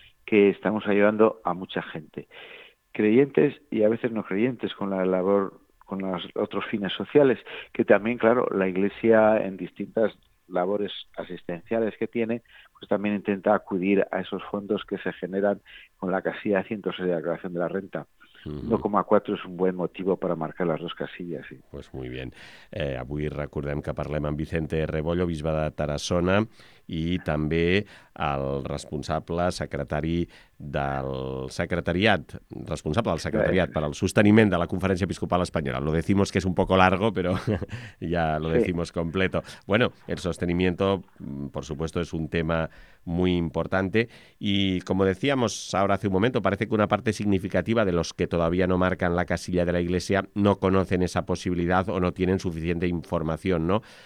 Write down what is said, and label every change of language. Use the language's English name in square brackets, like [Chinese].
[Spanish] Que estamos ayudando a mucha gente, creyentes y a veces no creyentes, con la labor, con los otros fines sociales, que también, claro, la Iglesia en distintas labores asistenciales que tiene, pues también intenta acudir a esos fondos que se generan con la casilla 106 de la declaración de la renta. 1,4 es un buen motivo para marcar las dos casillas, sí. Pues muy bien. [Catalan] Avui recordem que parlem amb Vicente Rebollo, bisbe de Tarassona, i també el responsable secretari del secretariat, responsable del secretariat per al sosteniment de la Conferència Episcopal Espanyola. [Spanish] Lo decimos que es un poco largo, pero ya lo decimos completo. Bueno, el sostenimiento, por supuesto, es un tema muy importante y, como decíamos ahora hace un momento, parece que una parte significativa de los que todavía no marcan la casilla de la Iglesia no conocen esa posibilidad o no tienen suficiente información, ¿no?